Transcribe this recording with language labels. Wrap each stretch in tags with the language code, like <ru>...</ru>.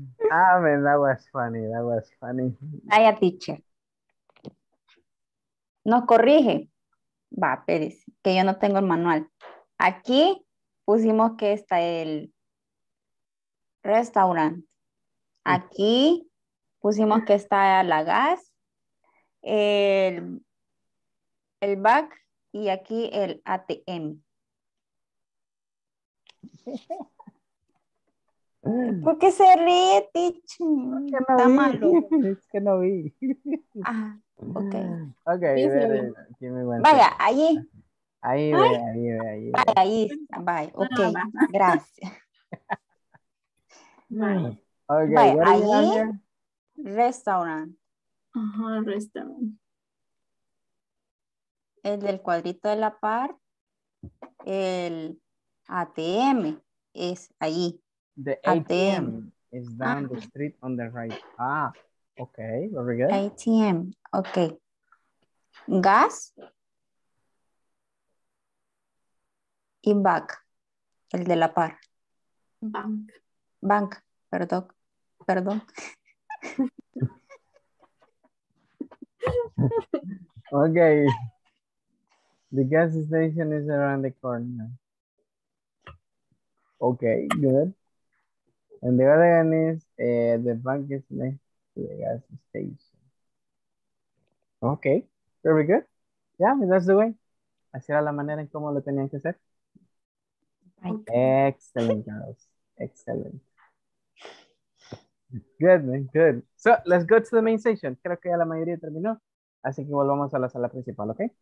<en>Ah, man, that was funny, that was funny.</en> <es>Vaya, teacher. Nos corrige. Va, Pérez, que yo no tengo el manual. Aquí pusimos que está el restaurant. Aquí pusimos que está la gas, el back y aquí el ATM. ¿Por qué se ríe, Tich? Está no malo. Es que no vi. Ah, ok. Ok, sí, vaya, allí. Ahí ve, ahí ve, ahí ve. Ahí está, bye. Ok, no, no, no. Gracias.</es> <en>Bye. Ok, bye. What ahí, restaurant.</en> <es>Ajá, restaurant. El del cuadrito de la par, el ATM es allí.</es> <en>The ATM is down the street on the right. Ah, ok, very good. ATM, ok. Gas.</en> <es>Y bank, el de la par.</es> <en>Bank.</en> <es>Bank, perdón. Perdón.</es> <en>Ok. The gas station is around the corner. Ok, good. And the other one is, the bank is next to the gas station. Ok, very good. Yeah, that's the way.</en> <es>Así era la manera en cómo lo tenían que hacer.</es> <en>Excellent, girls. Excellent. Good, man. Good. So, let's go to the main session.</en> <es>Creo que ya la mayoría terminó. Así que volvamos a la sala principal, ¿ok?</es>